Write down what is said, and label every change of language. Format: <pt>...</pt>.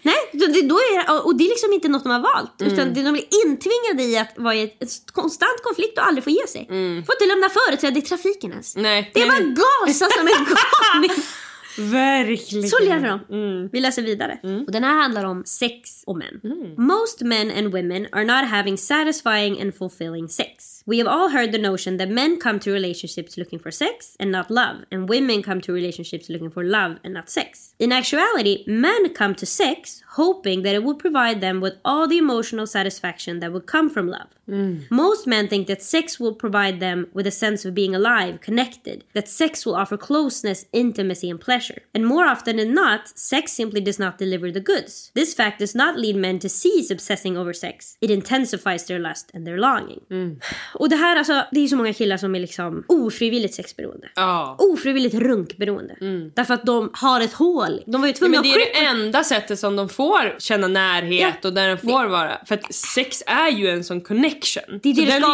<sv>Nej, då är, och det är liksom inte något de har valt. Utan de blir intvingade i att vara i ett konstant konflikt och aldrig få ge sig. Mm. Får inte lämna företräde i trafiken ens. Nej. Det är bara gasa som en galning. Verkligen. Så lever de. Mm. Vi läser vidare. Mm. Och den här handlar om sex och män. Mm.</sv> <en>Most men and women are not having satisfying and fulfilling sex. We have all heard the notion that men come to relationships looking for sex and not love. And women come to relationships looking for love and not sex. In actuality, men come to sex hoping that it will provide them with all the emotional satisfaction that would come from love. Mm. Most men think that sex will provide them with a sense of being alive, connected. That sex will offer closeness, intimacy, and pleasure. And more often than not, sex simply does not deliver the goods. This fact does not lead men to cease obsessing over sex. It intensifies their lust and their longing. Mm.</en> <sv>Och det här, alltså, det är så många killar som är liksom ofrivilligt sexberoende. Oh. Ofrivilligt runkberoende. Mm. Därför att de har ett hål. De var ju tvungna, ja, men det är det enda sättet som de får känna närhet, ja, och där den får vara. För att sex är ju en sån connection. Det är det, så det ska</sv>